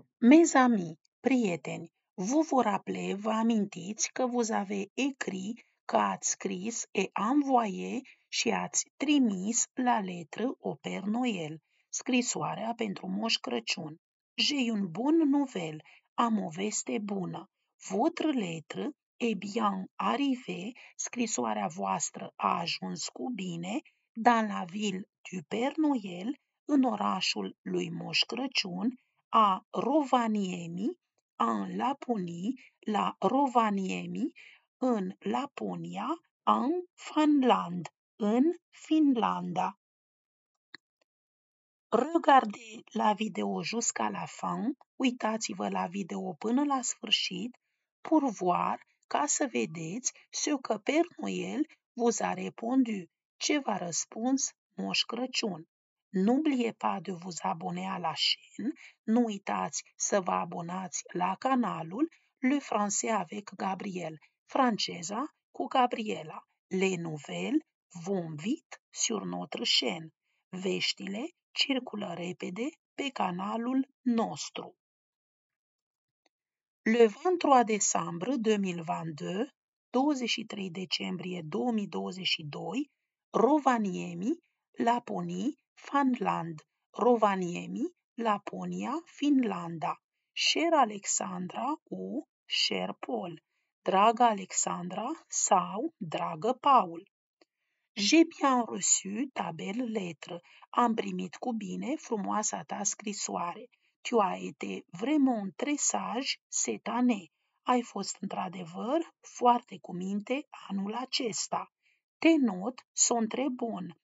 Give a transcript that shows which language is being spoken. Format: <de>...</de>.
<fr>Mes amis,</fr> <ro>prieteni,</ro> <fr>vous vous rappelez,</fr> <ro>vous amintiți că</ro> <fr>vous avez écrit,</fr> <ro>că ați scris</ro> <fr>et envoyé</fr> <ro>și ați trimis</ro> <fr>la lettre au Père Noël,</fr> <ro>scrisoarea pentru Moș Crăciun.</ro> <fr>J'ai une bonne nouvelle,</fr> <ro>am o veste bună.</ro> <fr>Votre lettre est bien arrivée,</fr> <ro>scrisoarea voastră a ajuns cu bine,</ro> <fr>dans la ville du Père Noël,</fr> <ro>în orașul lui Moș Crăciun, a Rovaniemi, în Laponii, la Rovaniemi, în Laponia, în Finland, în Finlanda.</ro> <fr>Regardez la video jusqu'à la fin,</fr> <ro>uitați-vă la video până la sfârșit,</ro> <fr>pour voir,</fr> <ro>ca să vedeți ce că</ro> <fr>Père Noël vous a répondu,</fr> <ro>ce v-a răspuns Moș Crăciun.</ro> <fr>N'oubliez pas de vous abonner à la chaîne.</fr> <ro>Nu uitați să vă abonați la canalul</ro> <fr>Le Français avec Gabriel.</fr> <ro>Franceza cu Gabriela.</ro> <fr>Les nouvelles vont vite sur notre chaîne.</fr> <ro>Veștile circulă repede pe canalul nostru.</ro> <fr>Le 23 décembre 2022,</fr> <ro>23 decembrie 2022,</ro> <fr>Rovaniemi, Laponii, Finland, Rovaniemi,</fr> <ro>Laponia, Finlanda.</ro> <fr>Cher Alexandra ou cher Paul.</fr> <ro>Draga Alexandra sau dragă Paul.</ro> <fr>J'ai bien reçu ta belle lettre.</fr> <ro>Am primit cu bine frumoasa ta scrisoare.</ro> <fr>Tu as été vraiment très sage cette année.</fr> <ro>Ai fost într-adevăr foarte cuminte anul acesta.</ro> <fr>Tes notes sont très bonnes.</fr>